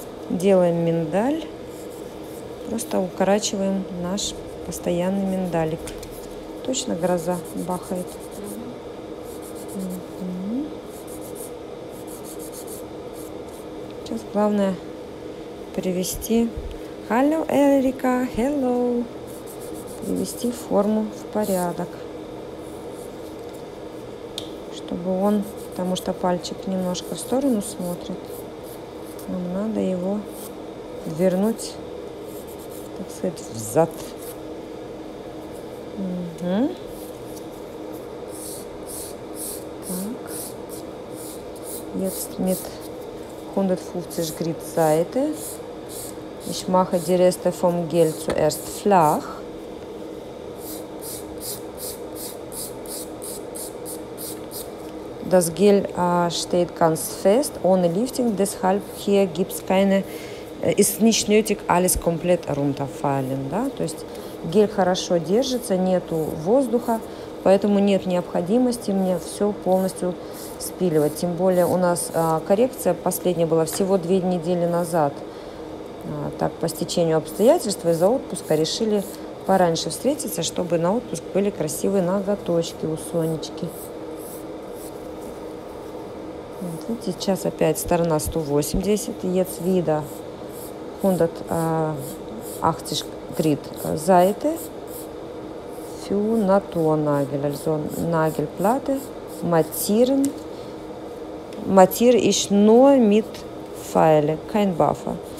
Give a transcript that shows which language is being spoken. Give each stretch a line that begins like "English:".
Russian: Делаем миндаль, просто укорачиваем наш постоянный миндалик. Точно гроза бахает. Сейчас главное привести.
German: Hallo Эрика, hello.
Russian: Привести форму в порядок, чтобы он, потому что пальчик немножко в сторону смотрит. Нам надо его вернуть, так сказать, взад.
German: Так. Jetzt mit 150 Grad Seite. Ich mache die Reste vom Gel zuerst flach. Das Gel steht ganz fest, ohne Lifting, deshalb hier gibt's keine, ist nicht nötig, alles komplett runterfallen.
Russian: Да? То есть гель хорошо держится, нету воздуха, поэтому нет необходимости мне все полностью спиливать. Тем более у нас коррекция последняя была всего 2 недели назад. Так, по стечению обстоятельств из-за отпуска решили пораньше встретиться, чтобы на отпуск были красивые ноготочки у Сонечки. Видите, сейчас опять сторона 180,
German: jetzt wieder 180 Grad Seite für Naturnagel, also Nagelplatte, mattieren, mattiere ich nur mit File, kein Buffer.